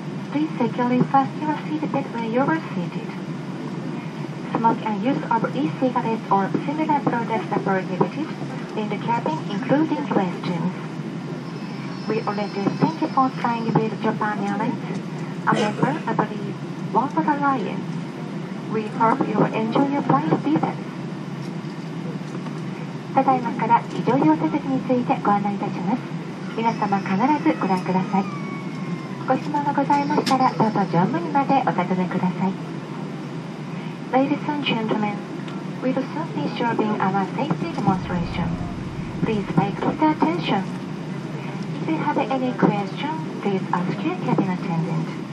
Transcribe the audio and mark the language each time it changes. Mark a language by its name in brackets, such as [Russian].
[English] Please securely fasten your seatbelt where you are seated. Smoke and use of e-cigarettes or similar products are prohibited in the cabin, including restrooms. We already thank you for flying with Japan Airlines, a member of the Oneworld Alliance. We hope you will enjoy your flight with us. [Japanese] ただいまから非常用設備についてご案内いたします。皆様必ずご覧ください。ご質問がございましたら、どうぞ乗務員までお尋ねください。 [English] Ladies and gentlemen, we will soon be showing our safety demonstration. Please pay close attention. If you have any question, please ask your cabin attendant.